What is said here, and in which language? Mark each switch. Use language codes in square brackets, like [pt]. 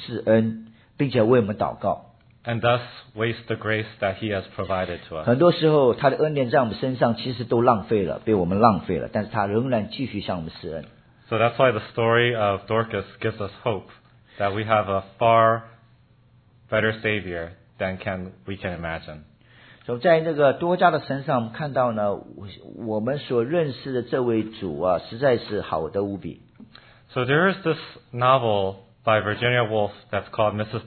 [zh] 并且他继续不断地向我们施恩，并且为我们祷告。 [en] And thus waste the grace that he has provided to us. [zh] 很多时候他的恩典在我们身上其实都浪费了，被我们浪费了，但是他仍然继续向我们施恩。 [en] So that's why the story of Dorcas gives us hope that we have a far better Savior than we can imagine. [zh] 所以在那个多加的身上，我们看到呢，我们所认识的这位主啊，实在是好的无比。 [en] So there is this novel by Virginia Woolf that's called Mrs.